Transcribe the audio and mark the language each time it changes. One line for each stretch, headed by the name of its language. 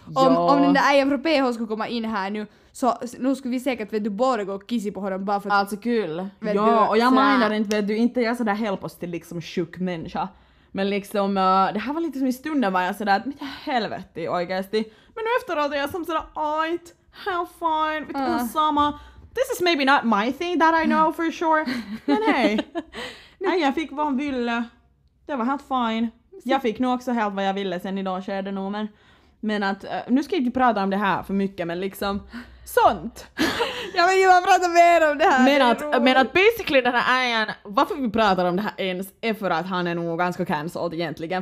Swedish: Om den där ägen från PH skulle komma in här nu, så nu skulle vi säkert, vet du, bara gå och kissa på honom bara för att, alltså kul. Ja, och jag menar inte, vet du, inte jag sådär helpost till liksom sjuk människa. Men liksom, det här var lite som i stunden var jag sådär att mitt helvete,
Finnish: oikeasti.
Swedish: Men nu efteråt är jag som sådär,
English: ajt, how fine,
Swedish: vet du, samma.
English: This is maybe not my thing that I know for sure.
Swedish: Men hej. Nej, jag fick vad jag ville. Det var helt fine. Jag fick nog också helt vad jag ville sen idag, så är det nog. Men att, nu ska jag inte prata om det här för mycket, men liksom, sånt. Jag vill ju bara prata mer om det här. Men att basically den här ägen, varför vi pratar om det här ens, är för att han är nog ganska cancelled egentligen.